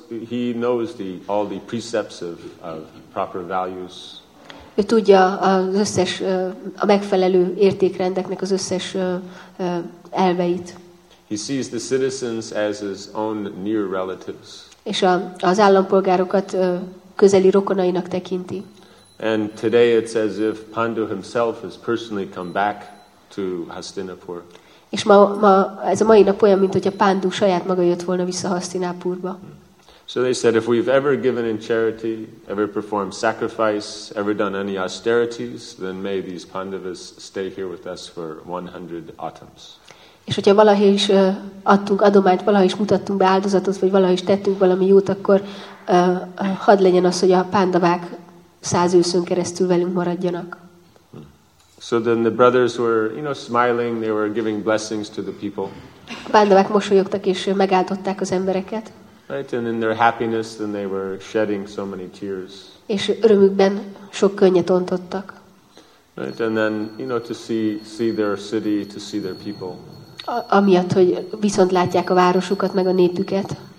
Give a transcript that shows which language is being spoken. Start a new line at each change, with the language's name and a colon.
English: He knows all the precepts of proper values.
Hungarian: Ő tudja az összes a megfelelő értékrendeknek az összes elveit.
English: He sees the citizens as his own near relatives.
Hungarian: És az állampolgárokat közeli rokonainak tekinti.
English: And today it's as if Pandu himself has personally come back to Hastinapur.
Hungarian: És ma ez a mai nap olyan, mint hogyha Pandu saját maga jött volna vissza Hastinapurba.
English: So they said, if we've ever given in charity, ever performed sacrifice, ever done any austerities, then may these Pandavas stay here with us for 100 autumns.
Hungarian: És hogyha valaha is adtunk adományt, valaha is mutattunk be áldozatot, vagy valaha is tettünk valami jót, akkor hadd legyen az, hogy a pándavák 100 őszön keresztül velünk maradjanak.
English: So then the brothers were, you know, smiling, they were giving blessings to the people.
Hungarian: A pándavák mosolyogtak és megáldották az embereket.
English: Right, and in their happiness then they were shedding so many tears.
Hungarian: És örömükben sok könnyet ontottak.
English: Right, and then, you know, to see their city, to see their people.
Hungarian: Amiatt, hogy viszont látják a városukat, meg a népüket.